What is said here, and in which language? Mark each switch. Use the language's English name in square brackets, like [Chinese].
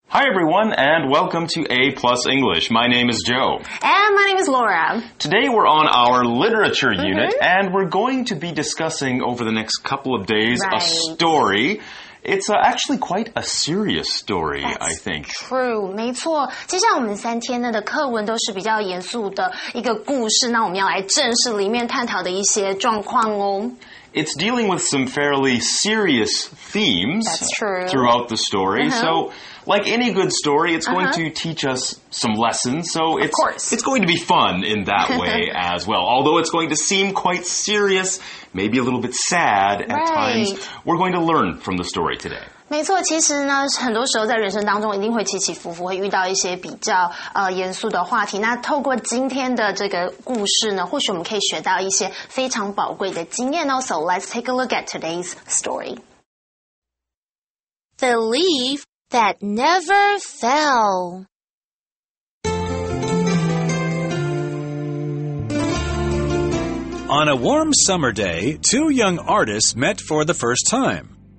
[English] Hi, everyone, and welcome to A Plus English. My name is Joe. And my name is Laura. Today, we're on our literature unit, and we're going to be discussing over the next couple of days a story. It's actually quite a serious story, I think. True, [Chinese] 没错。接下来我们三天的课文都是比较严肃的一个故事，那我们要来正式里面探讨的一些状况哦。 [English] It's dealing with some fairly serious themes throughout the story. Uh-huh. So, like any good story, it's going to teach us some lessons. So, it's going to be fun in that way as well. Although it's going to seem quite serious, maybe a little bit sad at times, we're going to learn from the story today. [Chinese] 没错，其实呢，很多时候在人生当中一定会起起伏伏，会遇到一些比较严肃的话题。那透过今天的这个故事呢，或许我们可以学到一些非常宝贵的经验哦。 [English] So let's take a look at today's story. The leaf that never fell. On a warm summer day, two young artists met for the first time.